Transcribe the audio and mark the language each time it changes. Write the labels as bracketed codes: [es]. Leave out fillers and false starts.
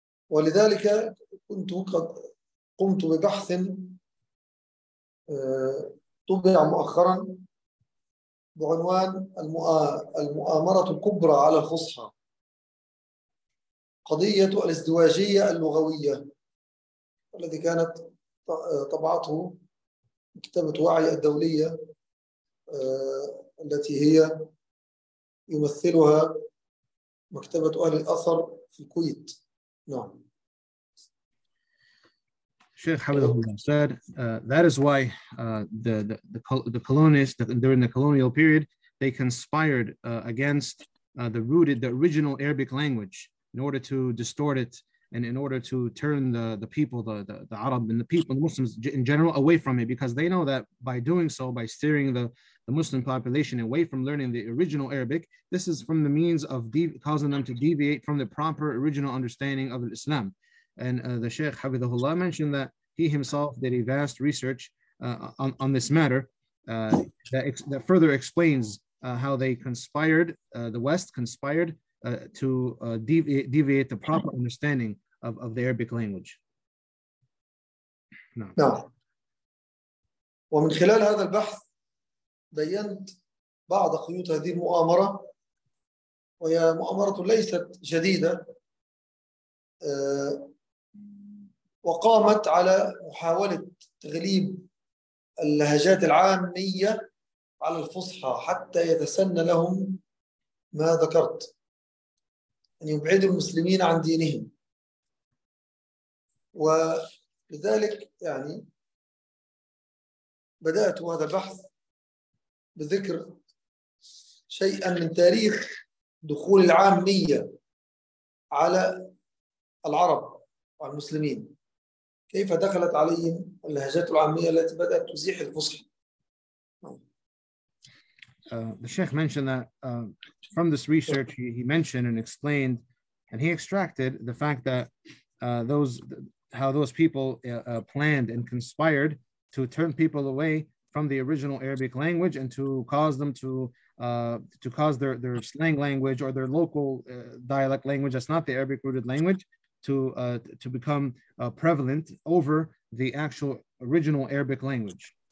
[ar] ولذلك كنت قد قمت ببحث طبع مؤخرا بعنوان المؤامرة الكبرى على الفصحى، قضية الازدواجية اللغوية، الذي كانت طبعته مكتبة وعي الدولية التي هي يمثلها مكتبة أهل الأثر في الكويت. نعم. [en] Sheikh Hafidhullah said that is why the colonists during the colonial period, they conspired against the original Arabic language in order to distort it and in order to turn the people, the Arab and the people, the Muslims in general, away from it, because they know that by doing so, by steering the Muslim population away from learning the original Arabic, this is from the means of causing them to deviate from the proper original understanding of Islam. And the Sheikh Hafidhullah mentioned that he himself did a vast research on this matter that further explains how they conspired, the West conspired to deviate the proper understanding of the Arabic language. [ar] نعم. ومن خلال هذا البحث بينت بعض خيوط هذه المؤامرة، وهي مؤامرة ليست جديدة، وقامت على محاولة تغليب اللهجات العامية على الفصحى حتى يتسنى لهم ما ذكرت، أن يبعد المسلمين عن دينهم. ولذلك يعني بدأت هذا البحث بذكر شيئا من تاريخ دخول العامية على العرب والمسلمين، كيف دخلت عليهم اللهجات العامية التي بدأت تزيح الفصحى. [en] The Sheikh mentioned that from this research he mentioned and explained, and he extracted the fact that how those people planned and conspired to turn people away from the original Arabic language and to cause them to cause their slang language or their local dialect language, that's not the Arabic rooted language, to become prevalent over the actual original Arabic language.